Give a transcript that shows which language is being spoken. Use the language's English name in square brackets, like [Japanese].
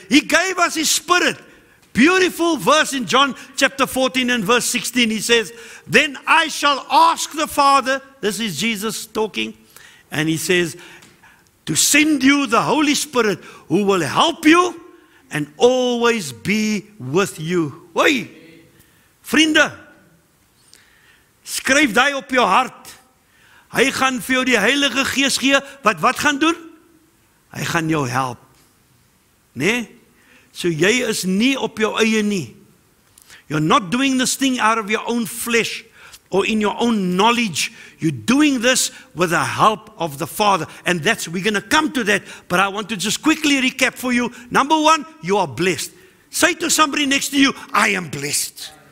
[English] He gave us His Spirit. Beautiful verse in John chapter 14 and verse 16. He says, then I shall ask the Father, this is Jesus talking, and He says, to send you the Holy Spirit who will help you and always be with you. [Afrikaans] Hoi, vriende, skryf die op jou hart. Hy gaan vir jou die Heilige Gees gee, wat gaan doen? Hy gaan jou help. Nee? So jy is nie op jou eie nie. [English] You're not doing this thing out of your own flesh or in your own knowledge. You're doing this with the help of the Father. And that's, we're going to come to that. But I want to just quickly recap for you. Number one, you are blessed. Say to somebody next to you, I am blessed.